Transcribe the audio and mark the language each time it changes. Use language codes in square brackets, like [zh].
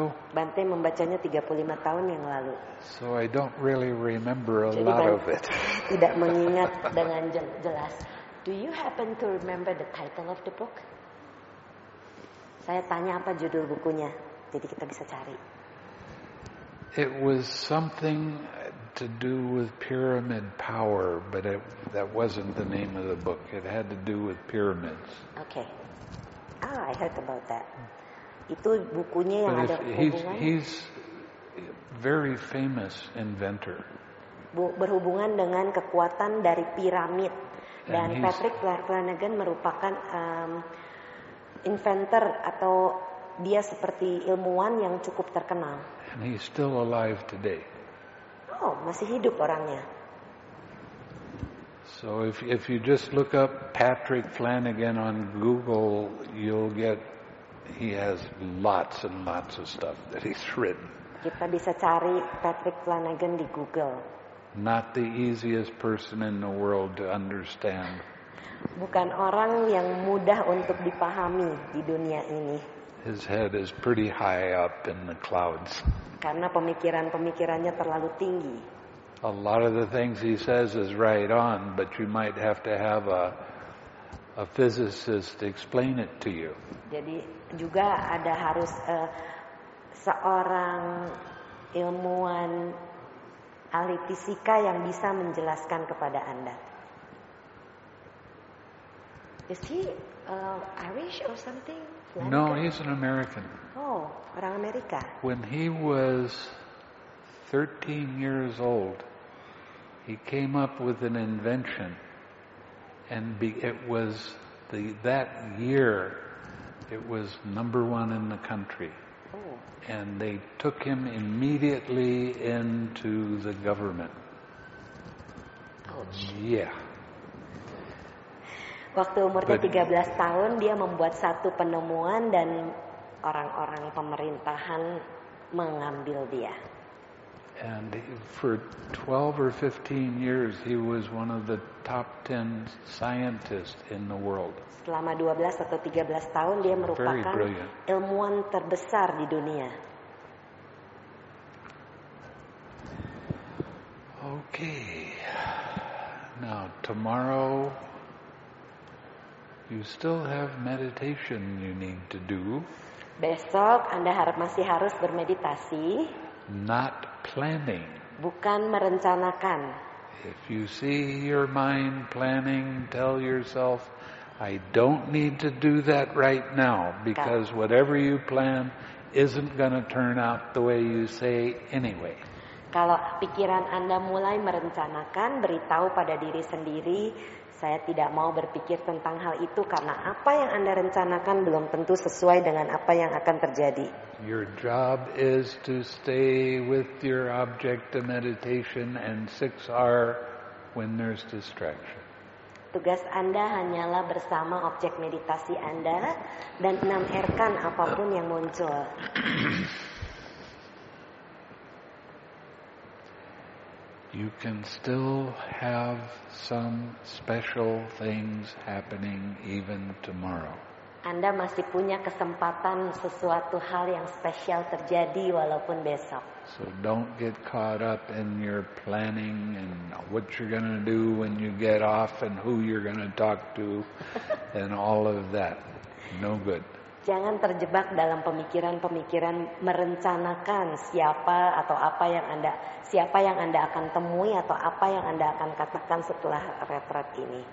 [id] Bante membacanya 35 tahun yang lalu. [en] So I don't really remember a lot of it. [id] Tidak mengingat dengan jelas. [en] Do you happen to remember the title of the book? [id] Saya tanya apa judul bukunya, jadi kita bisa cari. [en] It was something to do with pyramid power, but that wasn't the name of the book. It had to do with pyramids. Okay. Ah, I heard about that. [id] Itu bukunya yang ada hubungan. [en] He's very famous inventor. [id] Berhubungan dengan kekuatan dari piramid. Dan Patrick Flanagan merupakan inventor, atau dia seperti ilmuwan yang cukup terkenal. [en] And he's still alive today. [id] Oh, masih hidup orangnya. [en] So if you just look up Patrick Flanagan on Google, you'll get he has lots and lots of stuff that he's written. [id] Kita bisa cari Patrick Flanagan di Google. [en] Not the easiest person in the world to understand. [id] Bukan orang yang mudah untuk dipahami di dunia ini. [en] His head is pretty high up in the clouds. [id] Karena pemikiran-pemikirannya terlalu tinggi. [en] A lot of the things he says is right on, but you might have to have a physicist explain it to you. [id] Jadi juga ada harus seorang ilmuwan ahli fisika yang bisa menjelaskan kepada Anda. [en] Is he Irish or something? Flanagan? No, he's an American. [id] Oh, orang Amerika. [en] When he was 13 years old, he came up with an invention, and it was that year it was number one in the country. Oh. And they took him immediately into the government. Ouch. Yeah. [id] Waktu umurnya 13 tahun, dia membuat satu penemuan dan orang-orang pemerintahan mengambil dia. [en] And for 12 or 15 years, he was one of the top 10 scientists in the world. [id] Selama 12 atau 13 tahun, dia merupakan ilmuwan terbesar di dunia. Okay. [en] Now, tomorrow, you still have meditation you need to do. [id] Besok Anda masih harus bermeditasi. [en] Not planning. [id] Bukan merencanakan. [en] If you see your mind planning, tell yourself, I don't need to do that right now, because whatever you plan isn't going to turn out the way you say anyway. [id] Kalau pikiran Anda mulai merencanakan, beritahu pada diri sendiri, saya tidak mau berpikir tentang hal itu karena apa yang Anda rencanakan belum tentu sesuai dengan apa yang akan terjadi. [en] Your job is to stay with your object of meditation and 6R when there's distraction. [id] Tugas Anda hanyalah bersama objek meditasi Anda dan 6R-kan apapun yang muncul. [en] You can still have some special things happening even tomorrow. [id] Anda masih punya kesempatan sesuatu hal yang spesial terjadi walaupun besok. [en] So don't get caught up in your planning and what you're going to do when you get off and who you're going to talk to and all of that. No good. [id] Jangan terjebak dalam pemikiran-pemikiran merencanakan siapa atau apa yang Anda siapa yang Anda akan temui atau apa yang Anda akan katakan setelah retret ini.